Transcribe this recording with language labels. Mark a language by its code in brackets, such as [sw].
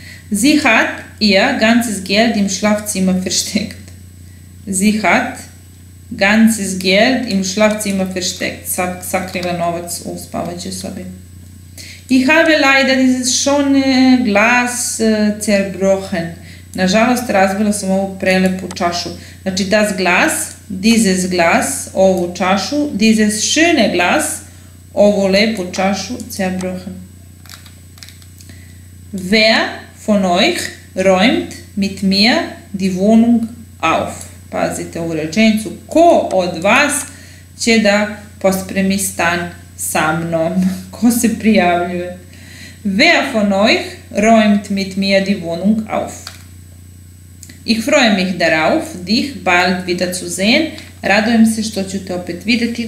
[de] Sie hat ihr ganzes Geld im Schlafzimmer versteckt. Sie hat ganzes Geld im Schlafzimmer versteckt. [sr] Sakriva novac u spavaćoj sobi. [de] Ich habe leider dieses schöne Glas zerbrochen. [sr] Nažalost, razbila sam ovu prelepu čašu. Znači, [de] das Glas, dieses Glas, [sr] ovu čašu, [de] dieses schöne Glas, [sr] ovu lepu čašu, zerbrochen. [de] Wer von euch räumt mit mir die Wohnung auf? [sr] Pazite ovu rečenicu. Ko od vas će da pospremi stan sa mnom? Ko se prijavljuje? [de] Wer von euch räumt mit mir die Wohnung auf? Ich freue mich darauf, dich bald wieder zu sehen. [sr] Radujem se što ću te opet videti.